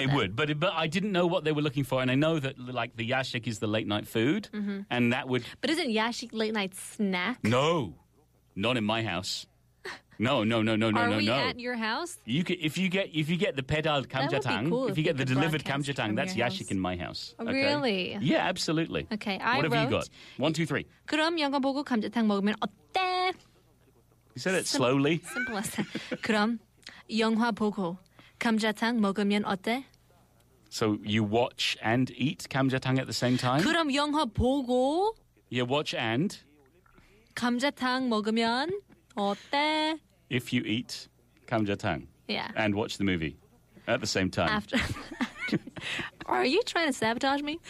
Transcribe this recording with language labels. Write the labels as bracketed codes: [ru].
[en] it. It would, but I didn't know what they were looking for, and I know that, like, the yashik is the late-night food, mm-hmm. and that would... But isn't yashik late-night snack? No. Not in my house. No. Are we at your house? If you get the pedaled kamjatang, if you get the delivered kamjatang, that's yashik in my house. Okay? Really? Yeah, absolutely. Okay, what have you got? 1, 2, 3. [ko] 그럼 영화 보고 감자탕 먹으면 어때? [en] You said it slowly. Simple as that. [ko] 그럼 영화 보고 감자탕 먹으면 어때? [en] So you watch and eat 감자탕 at the same time? [ko] 그럼 영화 보고 [en] you watch and [ko] 감자탕 먹으면 어때? [en] If you eat 감자탕 yeah. and watch the movie at the same time. After Are you trying to sabotage me?